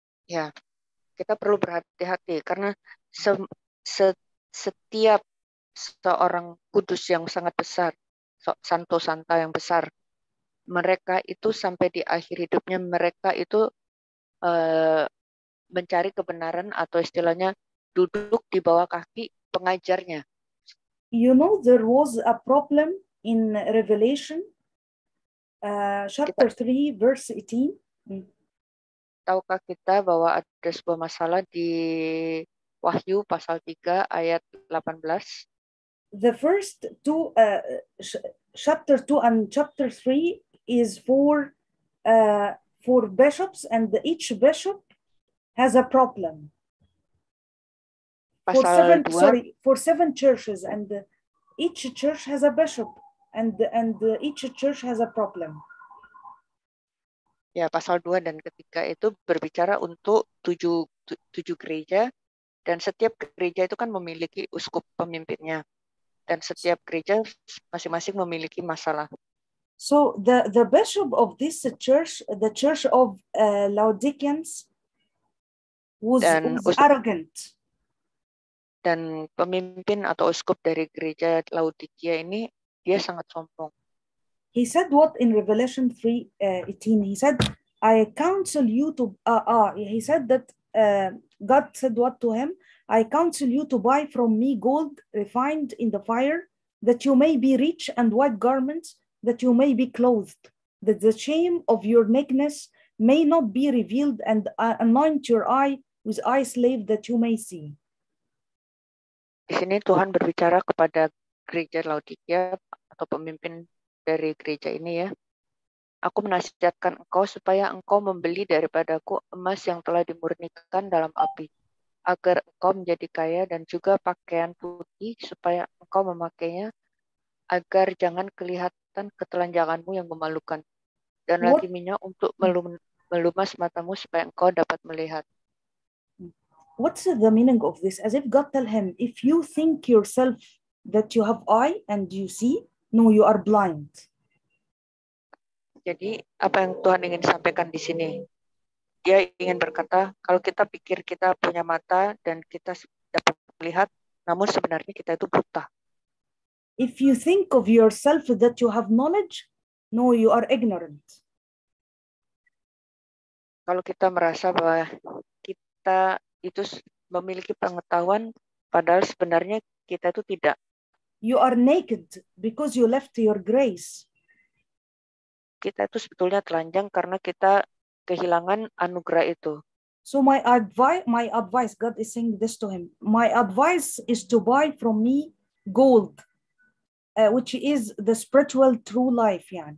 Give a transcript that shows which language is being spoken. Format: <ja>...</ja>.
<id>Yeah, kita perlu berhati-hati, karena setiap seorang kudus yang sangat besar, santo-santa yang besar, mereka itu sampai di akhir hidupnya, mereka itu mencari kebenaran, atau istilahnya duduk di bawah kaki pengajarnya.</id> <en>You know, there was a problem in Revelation, chapter 3, verse 18.</en> <id>Tahukah kita bahwa ada sebuah masalah di Wahyu, pasal 3, ayat 18?</id> <en>The first two, chapter 2 and chapter 3 is for bishops, and each bishop has a problem. For seven churches, and each church has a bishop, and each church has a problem.</en> <id>Ya, pasal 2 dan ketiga itu berbicara untuk tujuh gereja, dan setiap gereja itu kan memiliki uskup pemimpinnya. Dan setiap gereja masing-masing memiliki masalah.</id> <en>So the bishop of this church, the church of Laodiceans, was arrogant.</en> <id>Dan pemimpin atau uskup dari gereja Laodikia ini, dia sangat sombong.</id> <en>He said what in Revelation 3:18? He said, "I counsel you to." He said that God said what to him? "I counsel you to buy from me gold refined in the fire, that you may be rich, and white garments, that you may be clothed, that the shame of your nakedness may not be revealed, and anoint your eye with eye salve, that you may see."</en> <id>Di sini Tuhan berbicara kepada gereja Laodikia atau pemimpin dari gereja ini ya. Aku menasihatkan engkau supaya engkau membeli daripadaku emas yang telah dimurnikan dalam api, agar engkau menjadi kaya, dan juga pakaian putih supaya engkau memakainya, agar jangan kelihatan ketelanjanganmu yang memalukan, dan lagi minyak untuk melumas matamu supaya engkau dapat melihat.</id> <en>What's the meaning of this? As if God tell him, if you think yourself that you have eye and you see, no, you are blind.</en> <id>Jadi apa yang Tuhan ingin sampaikan di sini? Dia ingin berkata, kalau kita pikir kita punya mata dan kita dapat melihat, namun sebenarnya kita itu buta.</id> <en>If you think of yourself that you have knowledge, no, you are ignorant.</en> <id>Kalau kita merasa bahwa kita itu memiliki pengetahuan, padahal sebenarnya kita itu tidak.</id> <en>You are naked because you left your grace.</en> <id>Kita itu sebetulnya telanjang karena kita kehilangan anugerah itu.</id> <en>So my advice, God is saying this to him. My advice is to buy from me gold, which is the spiritual true life.</en>